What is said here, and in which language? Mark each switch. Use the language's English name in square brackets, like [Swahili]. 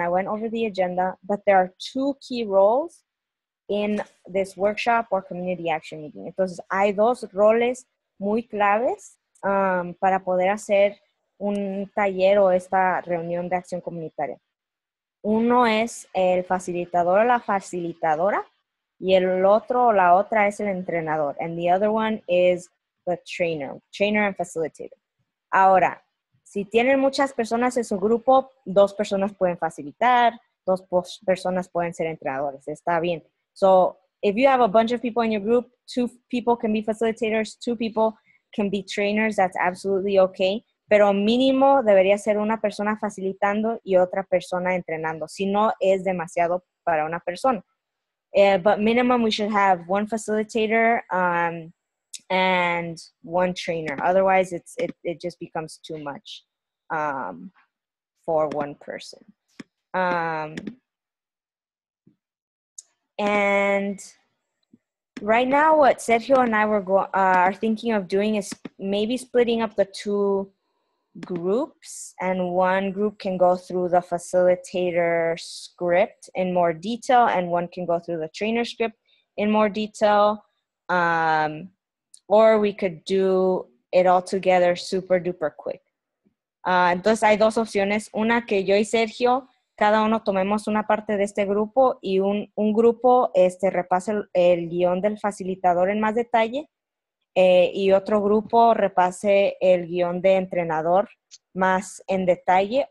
[English] I went over the agenda, but there are two key roles in this workshop or community action meeting. [Spanish] Entonces, hay dos roles muy claves para poder hacer un taller o esta reunión de acción comunitaria. Uno es el facilitador o la facilitadora, y el otro o la otra es el entrenador. [English] And the other one is the trainer and facilitator. [Spanish] Ahora, si tienen muchas personas en su grupo, dos personas pueden facilitar, dos personas pueden ser entrenadores. Está bien. [English] So, if you have a bunch of people in your group, two people can be facilitators, two people can be trainers, that's absolutely okay. [Spanish] Pero mínimo debería ser una persona facilitando y otra persona entrenando. Si no, es demasiado para una persona. [English] But minimum, we should have one facilitator and one trainer. Otherwise, it just becomes too much for one person. And right now, what Sergio and I are thinking of doing is maybe splitting up the two groups, and one group can go through the facilitator script in more detail, and one can go through the trainer script in more detail. Or we could do it all together super duper quick. [Spanish] Entonces hay dos opciones. Una, que yo y Sergio, cada uno tomemos una parte de este grupo y un grupo repase el guión del facilitador en más detalle. Y otro grupo repase el guión de entrenador más en detalle.